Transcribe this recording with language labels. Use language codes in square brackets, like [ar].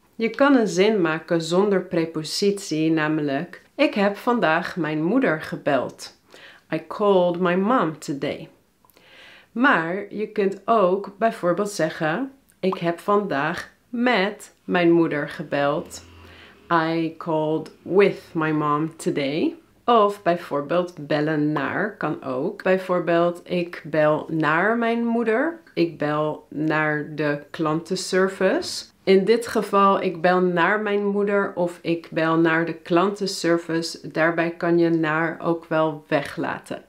[nl] Je kan een zin maken zonder prepositie, namelijk: ik heb vandaag mijn moeder gebeld. [en] I called my mom today. [nl] Maar je kunt ook bijvoorbeeld zeggen: ik heb vandaag met mijn moeder gebeld. [en] I called with my mom today. [nl] Of bijvoorbeeld bellen naar kan ook. Bijvoorbeeld: ik bel naar mijn moeder. Ik bel naar de klantenservice. In dit geval, ik bel naar mijn moeder of ik bel naar de klantenservice. Daarbij kan je naar ook wel weglaten.